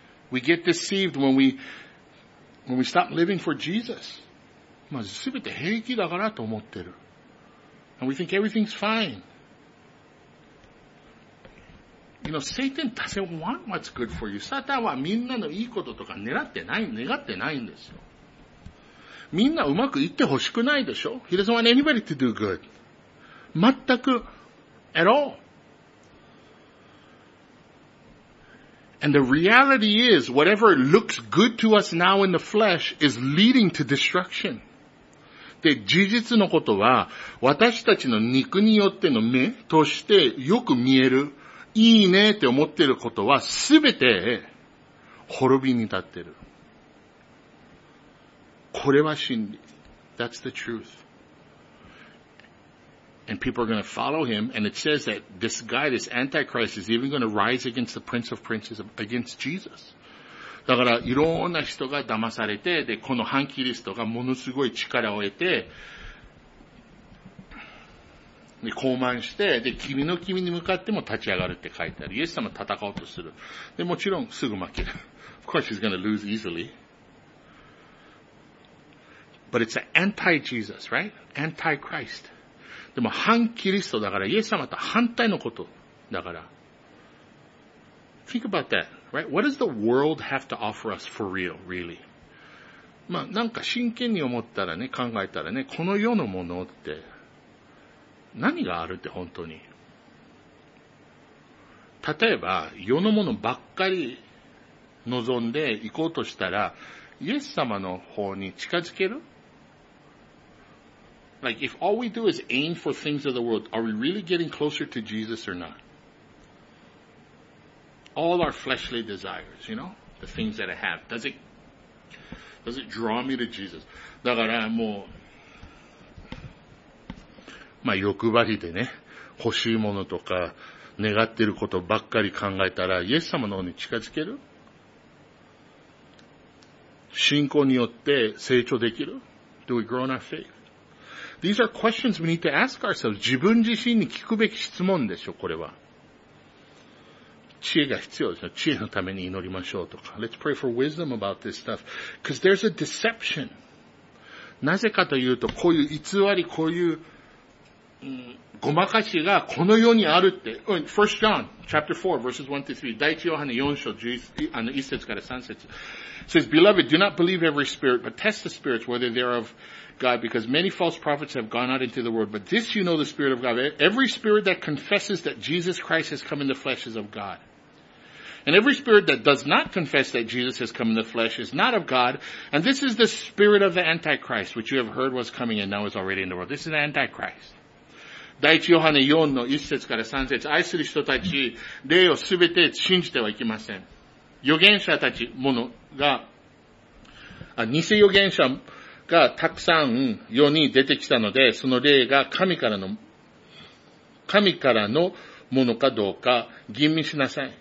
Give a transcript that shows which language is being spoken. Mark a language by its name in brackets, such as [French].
[English] We get deceived when we stop living for Jesus. [Japanese] まあすべて平気だからと思ってる。 [English] And we think everything's fine. You know, Satan doesn't want what's good for you. [Japanese] サタンはみんなのいいこととか願ってないんですよ。みんなうまくいってほしくないでしょ。 [English] He doesn't want anybody to do good. [Japanese] 全く、 [English] at all. And the reality is, whatever looks good to us now in the flesh is leading to destruction. [Japanese] で、事実のことは、私たちの肉によっての目として、よく見える。いいねって思ってることはすべて滅びに立ってる。これは真理。 [English] That's the truth. And people are going to follow him, and it says that this guy, this Antichrist, is even going to rise against the Prince of Princes, against Jesus. [Japanese] だから、いろんな人が騙されて、で、この反キリストがものすごい力を得て、で、傲慢して、で、君の君に向かっても立ち上がるって書いてある。イエス様戦おうとする。で、もちろん、すぐ負ける。 [English] Of course, he's gonna lose easily. But it's an anti-Jesus, right? Anti-Christ. [Japanese] でも、反キリストだから、イエス様と反対のことだから。 [English] Think about that, right? What does the world have to offer us for real, really? [Japanese] まあ、なんか真剣に思ったらね、考えたらね、この世のものって、何があるって本当に。例えば、世のものばっかり望んで行こうとしたら、イエス様の方に近づける？ [English] Like, if all we do is aim for things of the world, are we really getting closer to Jesus or not? All our fleshly desires, you know? The things that I have. Does it draw me to Jesus? [Japanese] だからもう、まあ欲張りでね、欲しいものとか、願ってることばっかり考えたら、イエス様の方に近づける？信仰によって成長できる？ [English] Do we grow in our faith? These are questions we need to ask ourselves. [Japanese] 自分自身に聞くべき質問でしょ、これは。知恵が必要ですよ。知恵のために祈りましょうとか。 [English] Let's pray for wisdom about this stuff. Because there's a deception. [Japanese] なぜかというと、こういう偽り、こういう、ごまかしがこの世にあるって。 [English] First John, chapter 4, verses 1 to 3. [Japanese] 第一ヨハネ4章1節から3節。 [English] Says, Beloved, do not believe every spirit, but test the spirits whether they are of God, because many false prophets have gone out into the world. But this you know the spirit of God. Every spirit that confesses that Jesus Christ has come in the flesh is of God. And every spirit that does not confess that Jesus has come in the flesh is not of God. And this is the spirit of the Antichrist, which you have heard was coming and now is already in the world. This is the Antichrist. [Japanese] 第一ヨハネ4の1節から3節、愛する人たち、霊をすべて信じてはいけません。預言者たち、ものが、偽預言者がたくさん世に出てきたので、その霊が神からのものかどうか、吟味しなさい。